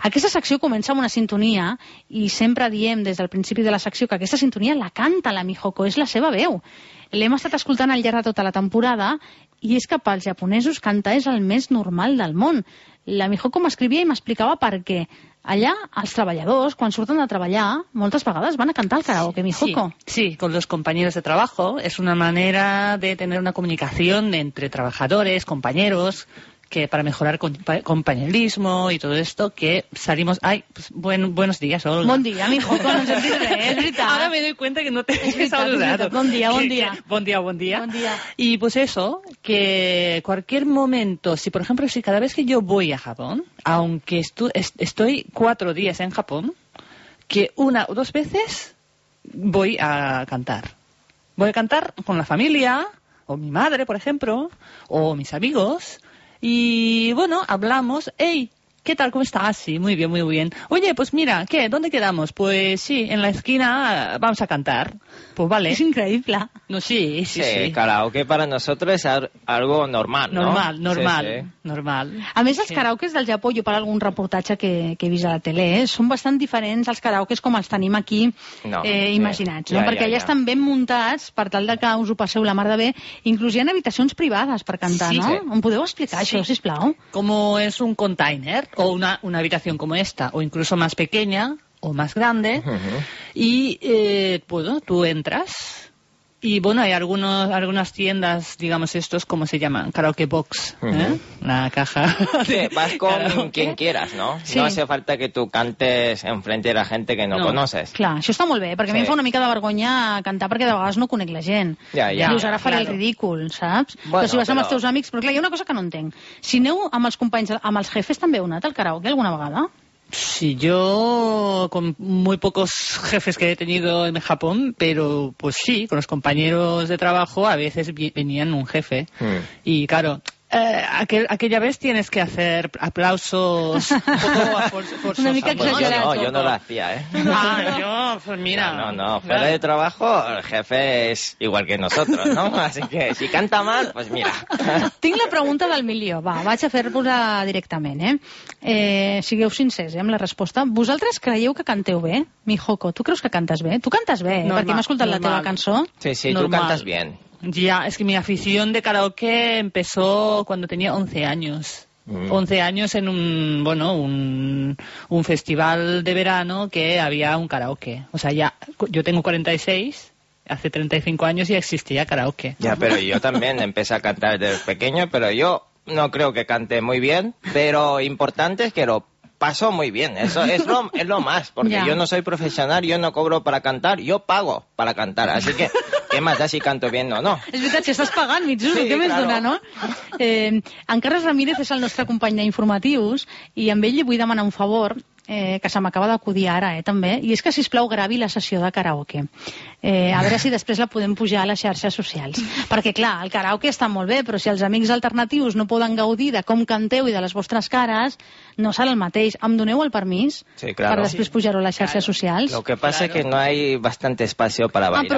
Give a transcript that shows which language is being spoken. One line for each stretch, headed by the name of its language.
Catalan: Aquesta secció comença amb una sintonia, i sempre diem des del principi de la secció que aquesta sintonia la canta la Mihoko, és la seva veu. L'hem estat escoltant al llarg de tota la temporada, i és que pels japonesos cantar és el més normal del món. La Mihoko m'escrivia i m'explicava per què. Allà, els treballadors, quan surten de treballar, moltes vegades van a cantar al karaoke, Mihoko.
Spanish: Sí, con los compañeros de trabajo. Es una manera de tener una comunicación entre trabajadores, compañeros, que para mejorar compañerismo y todo esto, que salimos... Ay, pues buenos días, Olga. Buen día, Mihoko, no sé si es verdad. Ahora me doy cuenta que no te he saludado. Buen día. Y pues eso, que cualquier momento, si por ejemplo, si cada vez que yo voy a Japón, aunque estoy 4 días en Japón, que una o dos veces voy a cantar. Voy a cantar con la familia, o mi madre, por ejemplo, o mis amigos... Y bueno, hablamos, hey, ¿Qué tal? ¿Cómo estás? Sí, muy bien, muy bien. Oye, pues mira, ¿qué? ¿Dónde quedamos? Pues sí, en la esquina vamos a cantar. Pues vale. Es increíble. No, sí, sí, sí. Sí, karaoke para nosotros es algo normal, ¿no? Normal, normal, sí, sí. Normal.
Catalan: A més, els karaokes del Japó, jo per algun reportatge que he vist a la tele, són bastant diferents als karaokes com els tenim aquí imaginats, no? Perquè allà estan ben muntats per tal de que us ho passeu la mar de bé, inclús hi ha habitacions privades per cantar, no? Em podeu explicar això, sisplau?
Spanish: Como es un container o una habitación como esta, o incluso más pequeña o más grande, y bueno, tú entras y bueno, hay algunas tiendas, digamos, estos, ¿cómo se llaman? Karaoke box, una caja. Sí, vas con quien quieras, ¿no? Sí. No hace falta que tú cantes en frente de la gente que no conoces. Claro, eso está muy bien,
Catalan: porque a mí me fa una mica de vergonya cantar, porque de vegades no conec la gent.
Spanish: Ya. Incluso ahora
Catalan: faré el ridículo, ¿saps? Bueno, si vas amb els teus amics, pero claro,
Spanish: hay una cosa que
Catalan: no entenc. Si aneu amb els companys, amb els jefes, també heu anat al karaoke alguna vegada?
Spanish: Sí, yo con muy pocos jefes que he tenido en Japón, pero pues sí, con los compañeros de trabajo a veces venían un jefe. Y claro, aquella vez tienes que hacer aplausos un poco a forzosa. Bueno, yo no lo hacía, ¿eh? Ah, yo, pues mira. No, fuera de trabajo el jefe es igual que nosotros, ¿no? Así que si canta mal, pues mira.
Catalan: Tinc la pregunta del milió. Va, vaig a fer-vos-la directament, ¿eh? Sigueu sincers, amb la resposta. ¿Vosaltres creieu que canteu bé? Mihoko, ¿tú creus que cantes bé? Tu cantes bé, normal, perquè m'has escoltat la teva cançó.
Spanish: Sí, sí, normal. Tu cantes bien. Ya, es que mi afición de karaoke empezó cuando tenía 11 años. 11 años en un festival de verano que había un karaoke. O sea, ya, yo tengo 46, hace 35 años ya existía karaoke. Ya, pero yo también empecé a cantar desde pequeño, pero yo no creo que cante muy bien, pero importante es que lo paso muy bien. Eso es lo más, porque yo no soy profesional, yo no cobro para cantar, yo pago para cantar, así que...
Catalan: Què m'has de
Spanish: si canto bien o no?
Catalan: És veritat, si estàs pagant, Mitzuru, sí, què més dona, no? En Carles Ramírez és el nostre company d'informatius i amb ell li vull demanar un favor, que se m'acaba d'acudir ara, també, i és que, sisplau, gravi la sessió de karaoke. A veure si després la podem pujar a les xarxes socials. Perquè, clar, el karaoke està molt bé, però si els amics alternatius no poden gaudir de com canteu i de les vostres cares, no serà el mateix. Em doneu el permís per després pujar-ho a les xarxes socials?
Spanish: Lo que pasa es que no hay bastante espacio para bailar, ¿no?